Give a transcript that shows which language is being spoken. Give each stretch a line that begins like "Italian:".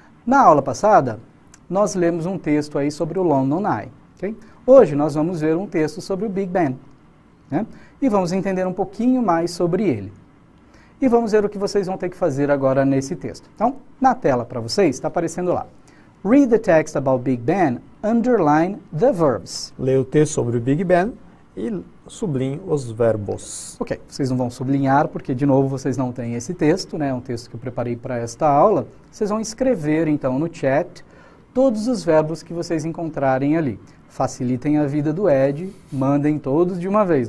Portuguese: Na aula passada, nós lemos um texto aí sobre o London Eye. Okay? Hoje nós vamos ver um texto sobre o Big Ben. Né? E vamos entender um pouquinho mais sobre ele. E vamos ver o que vocês vão ter que fazer agora nesse texto. Então, na tela para vocês, está aparecendo lá.
English: Read the text about Big Ben, underline the verbs.
Portuguese: Leia o texto sobre o Big Ben e sublinhe os verbos. Ok, vocês não vão sublinhar porque, de novo, vocês não têm esse texto, né? É um texto que eu preparei para esta aula. Vocês vão escrever, então, no chat todos os verbos que vocês encontrarem ali. Facilitem a vida do Ed, mandem todos de uma vez.